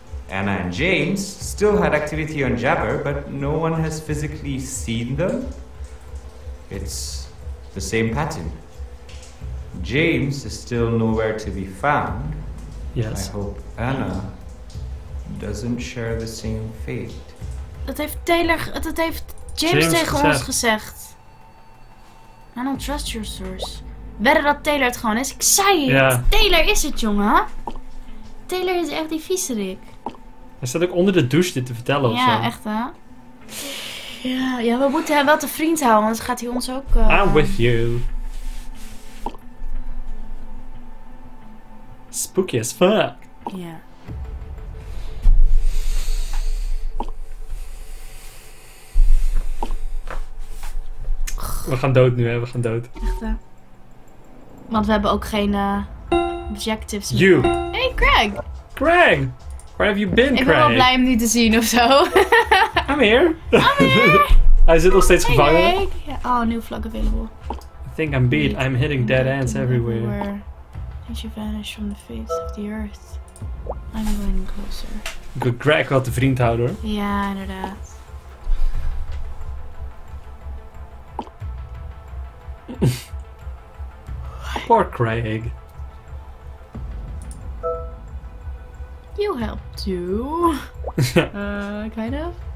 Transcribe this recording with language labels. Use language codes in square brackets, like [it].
[en] Anna and James still had activity on Jabber, but no one has physically seen them. It's the same pattern. James is still nowhere to be found. Yes. I hope Anna doesn't share the same fate. [nl] Dat heeft James tegen ons gezegd. [en] I don't trust your source. [nl] Wedden dat Taylor het gewoon is? Ik zei het! Ja. Taylor is het, jongen! Taylor is echt die viezerik. Hij staat ook onder de douche dit te vertellen ofzo. Ja, echt hè? Ja, we moeten hem wel te vriend houden, anders gaat hij ons ook... [en] I'm with you. Spooky as fuck. [nl] Ja. We gaan dood nu hè, we gaan dood. Echt hè? Want we hebben ook geen objectives. [en] You! Hey, Craig! Craig! Where have you been, Craig? [nl] Ik ben wel blij hem nu te zien of zo. [en] I'm here! [nl] Hij zit nog steeds gevangen. [en] Hey, yeah. Oh, new vlog available. I think I'm beat. I'm hitting dead ends everywhere. Where did you vanish from the face of the earth? I'm going closer. [nl] Ik wil Craig wel te vriend houden hoor. Ja, inderdaad. [en] Poor Craig. You help too. kind of.